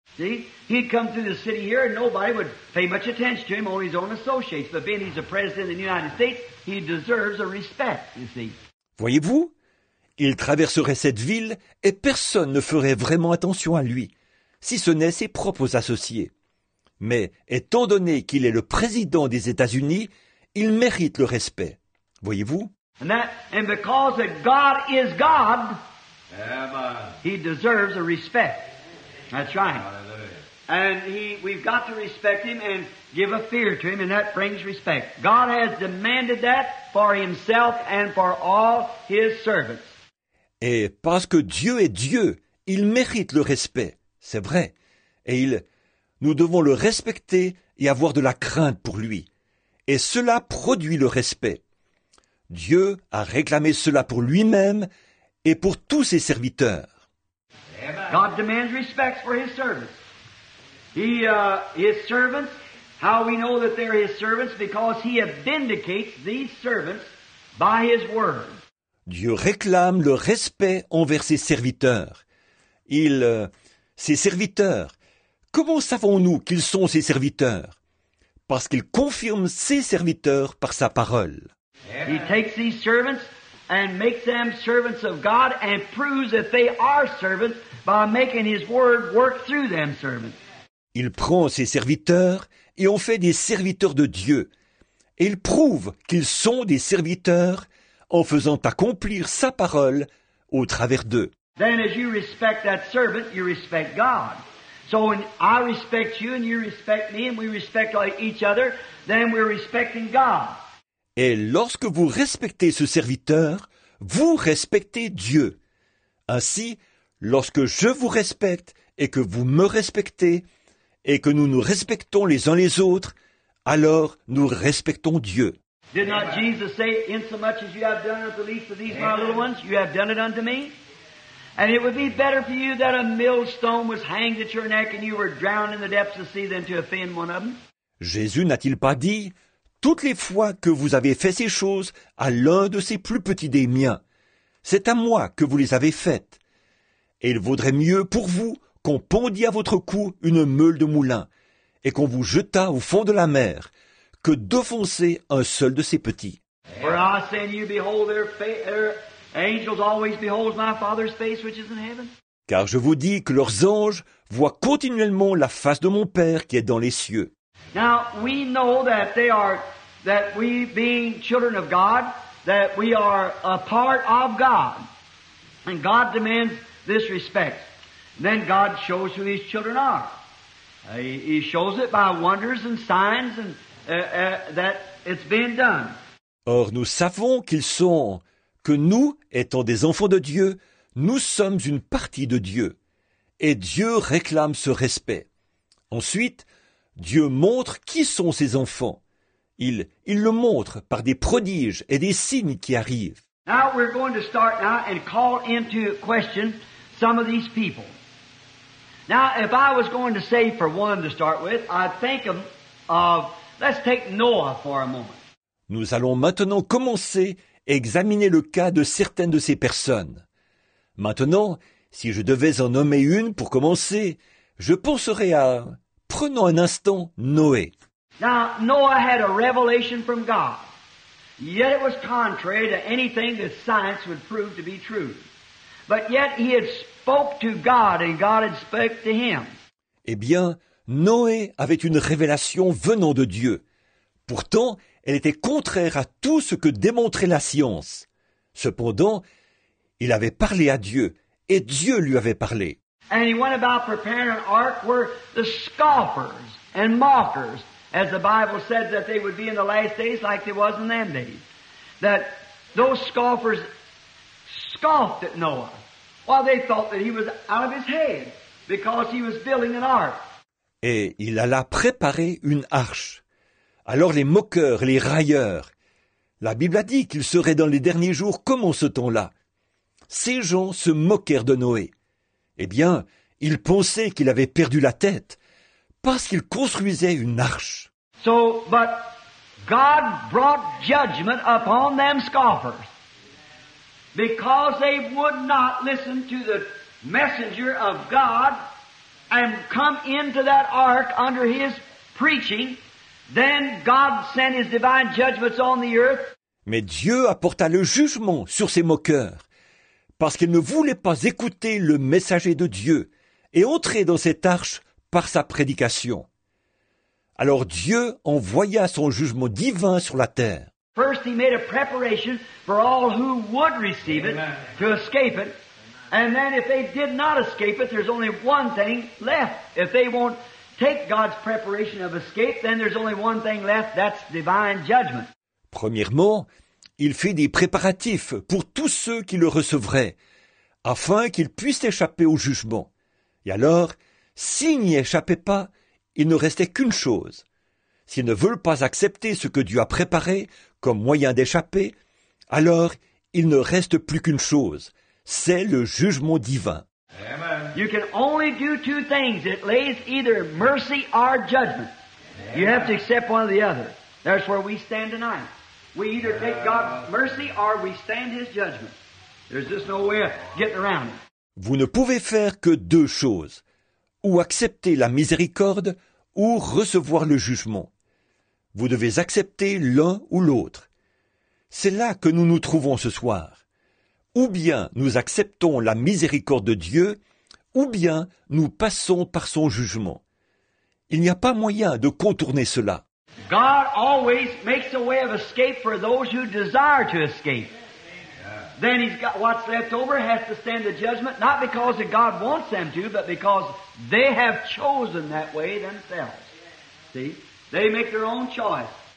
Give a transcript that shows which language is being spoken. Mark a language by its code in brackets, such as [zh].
[en] See, he'd come through the city here and nobody would pay much attention to him, only his own associates. But being he's a president of the United States, he deserves a respect, you see. [fr] Voyez-vous, il traverserait cette ville et personne ne ferait vraiment attention à lui, si ce n'est ses propres associés. Mais étant donné qu'il est le président des États-Unis, il mérite le respect. Voyez-vous? [en] And because that God is God, he deserves a respect. That's right. And we've got to respect him and give a fear to him, and that brings respect. God has demanded that for himself and for all his servants. [fr] Et parce que Dieu est Dieu, il mérite le respect, c'est vrai. Et nous devons le respecter et avoir de la crainte pour lui. Et cela produit le respect. Dieu a réclamé cela pour lui-même et pour tous ses serviteurs. [en] God demands respect for his servants. His servants, how we know that they're his servants, because he vindicates these servants by his word. [fr] Dieu réclame le respect envers ses serviteurs. Ses serviteurs, comment savons-nous qu'ils sont ses serviteurs? Parce qu'il confirme ses serviteurs par sa parole. [en] Amen. He takes these servants and makes them servants of God and proves that they are servants by making his word work through them servants. [fr] Il prend ses serviteurs et en fait des serviteurs de Dieu. Et il prouve qu'ils sont des serviteurs en faisant accomplir sa parole au travers d'eux. [en] Then as you respect that servant, you respect God. So when I respect you and you respect me and we respect each other, then we're respecting God. [fr] Et lorsque vous respectez ce serviteur, vous respectez Dieu. Ainsi, lorsque je vous respecte et que vous me respectez, et que nous nous respectons les uns les autres, alors nous respectons Dieu. [en] Did not Jesus say, "Insomuch as you have done unto the least of these my little ones, you have done it unto me"? And it would be better for you that a millstone was hanged at your neck and you were drowned in the depths of the sea than to offend one of them? [fr] Jésus n'a-t-il pas dit, toutes les fois que vous avez fait ces choses à l'un de ces plus petits des miens, c'est à moi que vous les avez faites. Et il vaudrait mieux pour vous qu'on pendît à votre cou une meule de moulin et qu'on vous jetât au fond de la mer que d'offenser un seul de ces petits. [en] For I say to you, behold, their angels always behold my Father's face which is in heaven. [fr] Car je vous dis que leurs anges voient continuellement la face de mon Père qui est dans les cieux. [en] Now, we know that they are that we, being children of God, that we are a part of God. And God demands this respect. And then God shows who His children are. He shows it by wonders and signs and that it's being done. [fr] Or nous savons qu'ils sont, que nous, étant des enfants de Dieu, nous sommes une partie de Dieu. Et Dieu réclame ce respect. Ensuite, Dieu montre qui sont ses enfants. Il le montre par des prodiges et des signes qui arrivent. [en] Now we're going to start now and call into question some of these people. Now, if I was going to say for one to start with, I'd think of let's take Noah for a moment. [fr] Nous allons maintenant commencer à examiner le cas de certaines de ces personnes. Maintenant, si je devais en nommer une pour commencer, je penserais à, prenons un instant, Noé. [en] Now, Noah had a revelation from God, yet it was contrary to anything that science would prove to be true. But yet he had spoke to God and God had spoke to him. [fr] Eh bien, Noé avait une révélation venant de Dieu. Pourtant, elle était contraire à tout ce que démontrait la science. Cependant, il avait parlé à Dieu et Dieu lui avait parlé. [en] And he went about preparing an ark where the scoffers and mockers, as the Bible said that they would be in the last days like they was in them days, that those scoffers scoffed at Noah while they thought that he was out of his head because he was building an ark. [fr] Et il alla préparer une arche. Alors les moqueurs, les railleurs, la Bible a dit qu'il serait dans les derniers jours comme en ce temps-là. Ces gens se moquèrent de Noé. Eh bien, ils pensaient qu'il avait perdu la tête parce qu'il construisait une arche. [en] So, but God brought judgment upon them scoffers because they would not listen to the messenger of God and come into that ark under his preaching. Then God sent his divine judgments on the earth. [fr] Mais Dieu apporta le jugement sur ces moqueurs, parce qu'ils ne voulaient pas écouter le messager de Dieu et entrer dans cette arche par sa prédication. Alors Dieu envoya son jugement divin sur la terre. [en] First he made a preparation for all who would receive it, to escape it. And then if they did not escape it, there's only one thing left. If they won't take God's preparation of escape, then there's only one thing left, that's divine judgment. [fr] Premièrement, il fait des préparatifs pour tous ceux qui le recevraient, afin qu'ils puissent échapper au jugement. Et alors, s'ils n'y échappaient pas, il ne restait qu'une chose. S'ils ne veulent pas accepter ce que Dieu a préparé comme moyen d'échapper, alors il ne reste plus qu'une chose, c'est le jugement divin. [en] Amen. You can only do two things. It lays either mercy or judgment. Amen. You have to accept one or the other. That's where we stand tonight. We either take God's mercy or we stand His judgment. There's just no way of getting around it. [fr] Vous ne pouvez faire que deux choses. Ou accepter la miséricorde ou recevoir le jugement. Vous devez accepter l'un ou l'autre. C'est là que nous nous trouvons ce soir. Ou bien nous acceptons la miséricorde de Dieu, ou bien nous passons par son jugement. Il n'y a pas moyen de contourner cela. [en] God always makes a way of escape for those who desire to escape. Then he's got what's left over has to stand the judgment, not because that God wants them to, but because they have chosen that way themselves. See? They make their own choice.